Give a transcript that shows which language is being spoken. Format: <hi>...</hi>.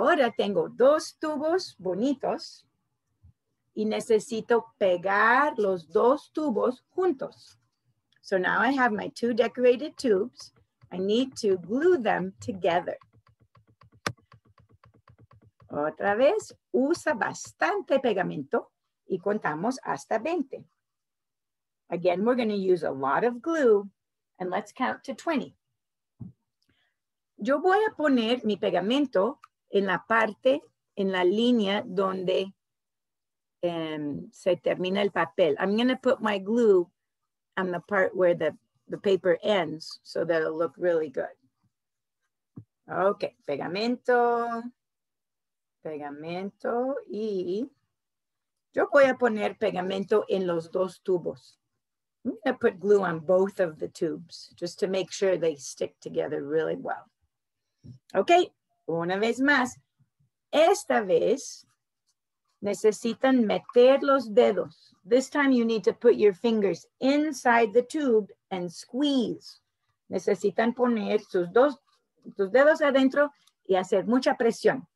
<es>Ta-da! Okay, ahora tengo dos tubos bonitos y necesito pegar los dos tubos juntos.</es> <en>So now I have my two decorated tubes. I need to glue them together.</en> <es>Otra vez, usa bastante pegamento y contamos hasta 20.</es> <en>Again, we're going to use a lot of glue and let's count to 20.</en> <es>Yo voy a poner mi pegamento en la parte, en la línea donde se termina el papel.</es> <en>I'm going to put my glue on the part where the paper ends so that it'll look really good.</en> <es>Okay, pegamento. Pegamento y yo voy a poner pegamento en los dos tubos.</es> <en>I'm going to put glue on both of the tubes just to make sure they stick together really well.</en> <es>Okay, una vez más. Esta vez necesitan meter los dedos.</es> <en>This time you need to put your fingers inside the tube and squeeze.</en> <es>Necesitan poner sus dedos adentro y hacer mucha presión.</es>